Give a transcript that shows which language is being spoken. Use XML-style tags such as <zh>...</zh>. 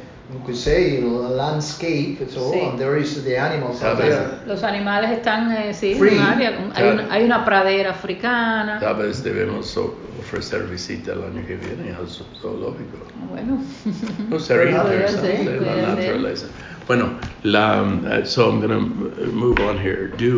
<en>You could say landscape, so and there is the animals out there.</en> <es>Los animales están free. En un área, hay una pradera africana. Tal vez debemos ofrecer visita el año que viene al zoológico. Bueno. No sería interesante la naturaleza.</es> <en>Bueno, so I'm going to move on here.</en>